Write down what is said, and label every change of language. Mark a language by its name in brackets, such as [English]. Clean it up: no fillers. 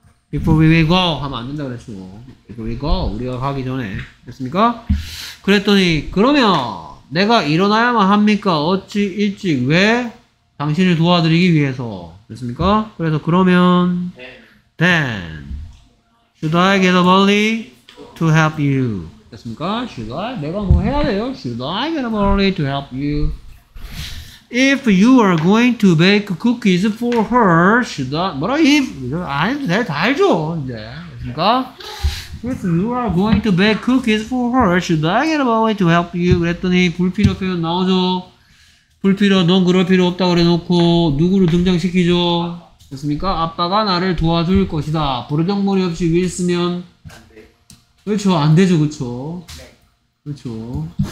[English] Before we go [Korean] 하면 안 된다 그랬죠. Before we go 우리가 가기 전에 됐습니까? 그랬더니 그러면 내가 일어나야만 합니까? 어찌 일찍 왜? 당신을 도와드리기 위해서 됐습니까? 그래서 그러면 [English] then should I get up early to help you [Korean] 됐습니까? [English] Should I? [Korean] 내가 뭐 해야 돼요? [English] Should I get up early to help you? If you are going to bake cookies for her, should I? [Korean] 뭐라 if? 아니, 내가 다 알죠, 이제. 그러니까, [English] if you are going to bake cookies for her, should I get a boy to help you? [Korean] 그랬더니 불필요 표현 나오죠. 불필요, 넌 그럴 필요 없다고 그래놓고 누구를 등장시키죠? 됐습니까? 아빠가 나를 도와줄 것이다. 부르정머리 없이 위에 있으면 그렇죠, 안 되죠, 그렇죠. 그렇죠.